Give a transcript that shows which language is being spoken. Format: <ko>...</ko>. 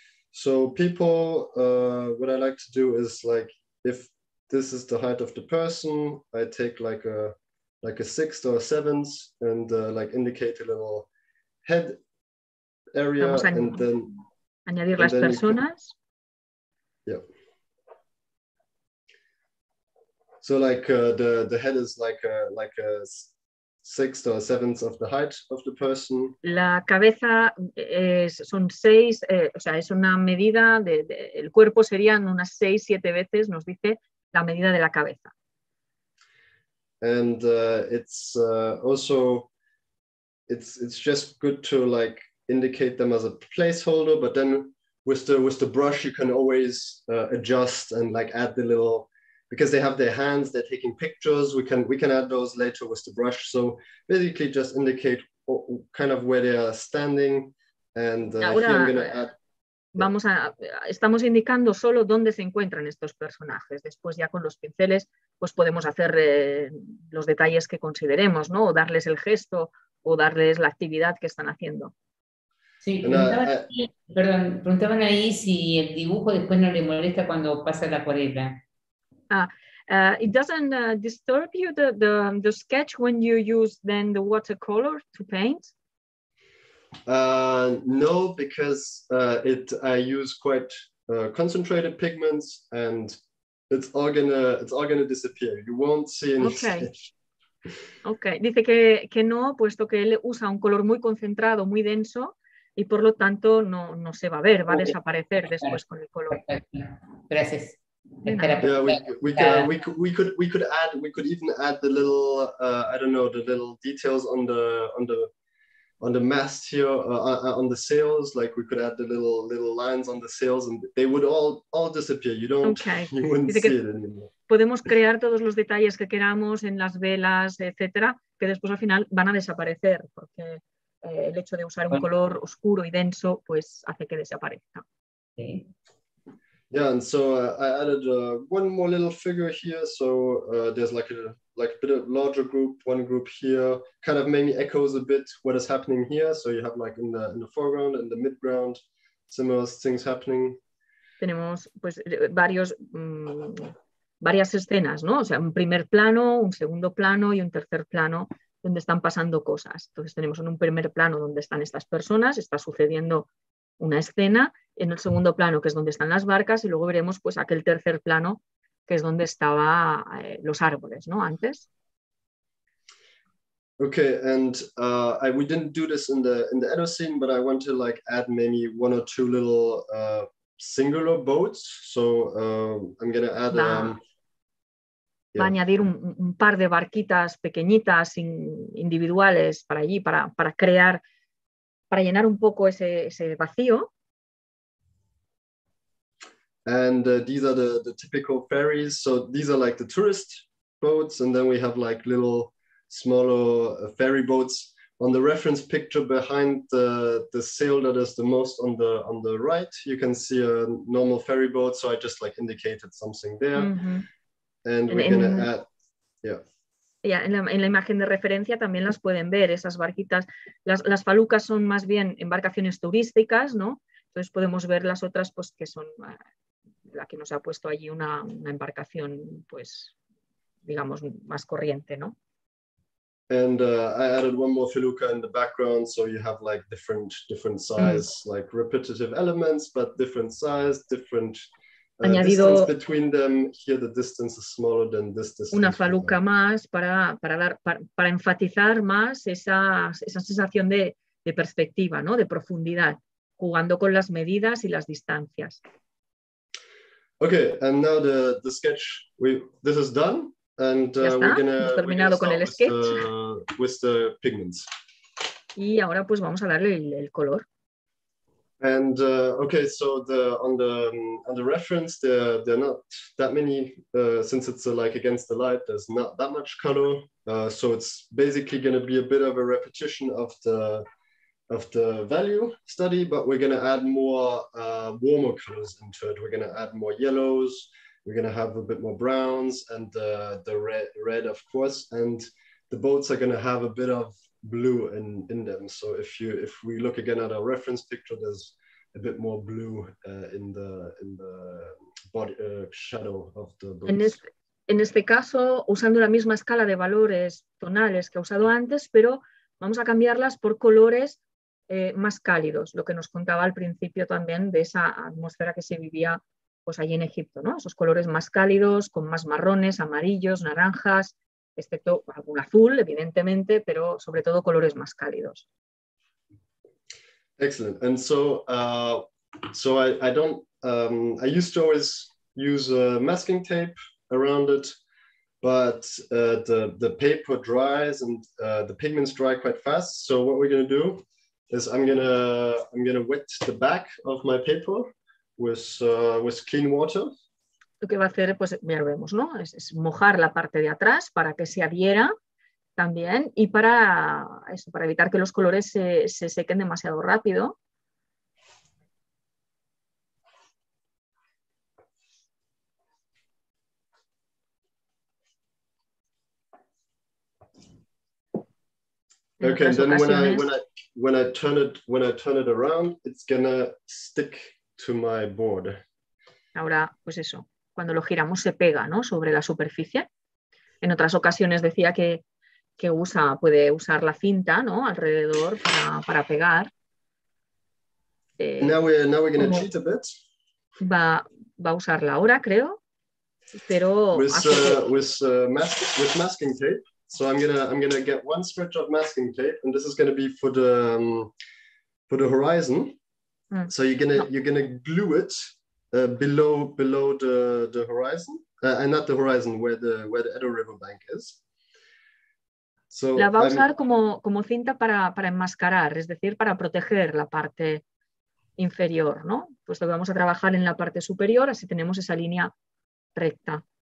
<en>So people, what I like to do is like, if this is the height of the person, I take like a sixth or a seventh and like indicate a little head area.</en> <es>Vamos a añadir las personas.</es> <en>So like the head is like a sixth or seventh of the height of the person.</en> <es>La cabeza son seis, o sea, es una medida de el cuerpo serían unas seis, siete veces, nos dice, la medida de la cabeza.</es> <en>And it's also it's just good to like indicate them as a placeholder, but then with the brush you can always adjust and like add the little, because they have their hands, they're taking pictures, we can add those later with the brush. So basically just indicate kind of where they are standing. And</en> <es>ahora,</es> <en>here I'm gonna add,</en> <es>vamos a, estamos indicando solo dónde se encuentran estos personajes. Después ya con los pinceles pues podemos hacer los detalles que consideremos, ¿no? O darles el gesto o darles la actividad que están haciendo. Sí, preguntaban ahí si el dibujo después no le molesta cuando pasa la acuarela.</es> <en>It doesn't disturb you the sketch when you use then the watercolor to paint? No, because I use quite concentrated pigments and it's all gonna disappear. You won't see any sketch. Okay.</en> <es>Dice que no, puesto que él usa un color muy concentrado, muy denso, y por lo tanto no se va a ver, va a desaparecer después con el color. Gracias.</es> <en>Yeah, we could even add the little I don't know, the little details on the mast here, on the sails, like we could add the little lines on the sails and they would all disappear. You wouldn't see it anymore.</en> <es>Podemos crear todos los detalles que queramos en las velas, etcétera, que después al final van a desaparecer porque el hecho de usar un color oscuro y denso pues hace que desaparezca.</es> <en>Yeah, and so I added one more little figure here. So there's like a bit of larger group, one group here, kind of maybe echoes a bit what is happening here. So you have like in the foreground and the midground, similar things happening.</en> <es>Tenemos pues varios varias escenas, ¿no? O sea, un primer plano, un segundo plano y un tercer plano donde están pasando cosas. Entonces tenemos en un primer plano donde están estas personas, está sucediendo una escena, en el segundo plano que es donde están las barcas y luego veremos pues aquel tercer plano que es donde estaba los árboles, ¿no? Antes.</es> <en>Okay, and we didn't do this in the other scene, but I want to like add maybe one or two little singular boats. So I'm gonna add.</en> <es>Va a añadir un par de barquitas pequeñitas individuales para allí para crear. Para llenar un poco ese vacío.</es> <en>And these are the typical ferries. So these are like the tourist boats. And then we have like little smaller ferry boats on the reference picture behind the sail that is the most on the right. You can see a normal ferry boat. So I just like indicated something there. Mm-hmm. And we're going to add, yeah.</en> <es>Ya, en la imagen de referencia también las pueden ver, esas barquitas. Las falucas son más bien embarcaciones turísticas, ¿no? Entonces podemos ver las otras, pues que son la que nos ha puesto allí una embarcación, pues, digamos, más corriente, ¿no?</es> <en>And I added one more feluca in the background, so you have like different size, like repetitive elements, but different size, different.</en> <es>Añadido</es> <en>between them, here the distance is smaller than this distance.</en> <es>Una faluca más para enfatizar más esa sensación de perspectiva, ¿no? De profundidad, jugando con las medidas y las distancias.</es> <en>Okay, and now the sketch, this is done, and</en> <es>hemos terminado con el sketch.</es> <en>With the pigments.</en> <es>Y ahora pues vamos a darle el color.</es> <en>And okay, so on the reference, there are not that many, since it's like against the light, there's not that much color. So it's basically going to be a bit of a repetition of the value study, but we're going to add more warmer colors into it. We're going to add more yellows. We're going to have a bit more browns and the red, of course. And the boats are going to have a bit of blue in them. So if we look again at our reference picture, there's a bit more blue in the body shadow of the boats.</en> <es>En este caso, usando la misma escala de valores tonales que ha usado antes, pero vamos a cambiarlas por colores más cálidos, lo que nos contaba al principio también de esa atmósfera que se vivía pues allí en Egipto, ¿no? Esos colores más cálidos, con más marrones, amarillos, naranjas, excepto algún azul, evidentemente, pero sobre todo colores más cálidos.</es> <en>Excellent. And so so I don't I used to always use masking tape around it, but the paper dries and the pigments dry quite fast. So what we're gonna do is I'm gonna wet the back of my paper with clean water.</en> <es>Lo que va a hacer, pues ya lo vemos, ¿no? Es mojar la parte de atrás para que se adhiera también y para eso, para evitar que los colores se sequen demasiado rápido.</es> <en>Okay, and then when I turn it around, it's gonna stick to my board.</en> <es>Ahora, pues eso, cuando lo giramos se pega, ¿no? Sobre la superficie. En otras ocasiones decía que puede usar la cinta, ¿no? Alrededor para pegar.</es> <en>Now we're gonna cheat a bit.</en> <es>Va a usarla ahora, creo. Pero</es> <en>with masking tape. So I'm gonna get one stretch of masking tape, and this is gonna be for the horizon. Mm. So you're gonna glue it below the horizon, and not the horizon where the Edo River Bank is.</en> <es>So la va a usar como cinta para enmascarar, es decir, para proteger la parte inferior, ¿no? Puesto que vamos a trabajar en la parte superior, así tenemos esa línea recta.</es>